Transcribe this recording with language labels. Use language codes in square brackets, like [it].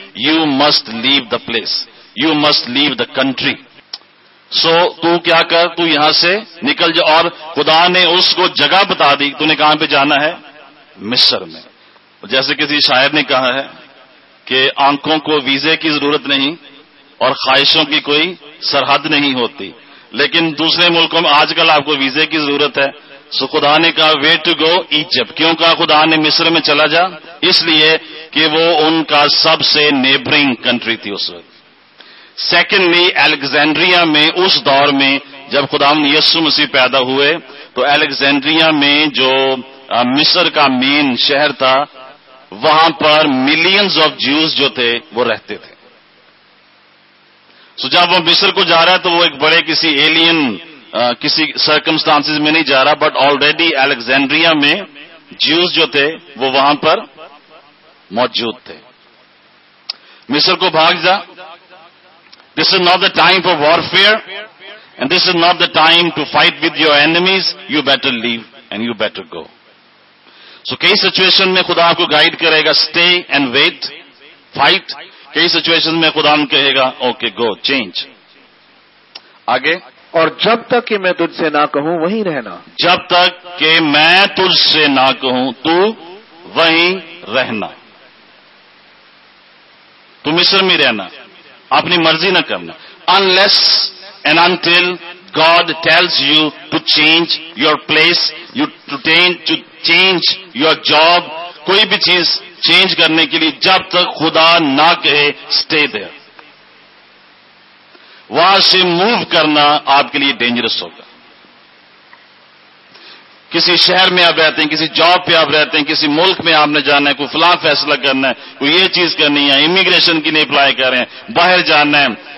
[en] You must leave the place, you must leave the country. [ur] سو تو کیا کر, تو یہاں سے نکل جا. اور خدا نے اس کو جگہ بتا دی, تو نے کہاں پہ جانا ہے؟ مصر میں. جیسے کسی شاعر نے کہا ہے کہ آنکھوں کو ویزے کی ضرورت نہیں اور خواہشوں کی کوئی سرحد نہیں ہوتی. لیکن دوسرے ملکوں میں آج کل آپ کو ویزے کی ضرورت ہے. سو خدا نے کہا وے ٹو گو ایجپٹ. کیوں کہا خدا نے مصر میں چلا جا؟ اس لیے کہ وہ ان کا سب سے نیبرنگ کنٹری تھی اس وقت. سیکنڈلی, الیگزینڈریا میں اس دور میں جب خداوند یسوع مسیح پیدا ہوئے, تو الیگزینڈریا میں جو مصر کا مین شہر تھا, وہاں پر ملینز آف جیوز جو تھے وہ رہتے تھے. سو جب وہ مصر کو جا رہا ہے تو وہ ایک بڑے کسی ایلین کسی سرکمسٹانسز میں نہیں جا رہا, بٹ آلریڈی الیگزینڈریا میں جیوز جو تھے وہ وہاں پر موجود تھے. مصر کو بھاگ جا. [en] This is not the time for warfare and this is not the time to fight with your enemies. You better leave and you better go. [ur] So, کئی situation میں خدا آپ کو guide کرے گا, stay and wait, fight. کئی situation میں خدا ہم کہے گا okay, go, change. آگے, اور جب تک کہ میں تجھ سے نہ کہوں وہیں رہنا. جب تک کہ میں تجھ سے نہ کہوں تو وہیں رہنا. تو مصر میں رہنا, اپنی مرضی نہ کرنا. [en] Unless and until God tells you to change your place, you to change your job, کوئی بھی چیز change کرنے کے لیے جب تک خدا نہ کہے stay there. [ur] وہاں سے موو کرنا آپ کے لیے ڈینجرس ہوگا. کسی شہر میں آپ رہتے ہیں, کسی جاب پہ آپ رہتے ہیں, کسی ملک میں آپ نے جانا ہے, کوئی فلاں فیصلہ کرنا ہے, کوئی یہ چیز کرنی ہے, امیگریشن کی نہیں اپلائی کر رہے ہیں, باہر جانا ہے.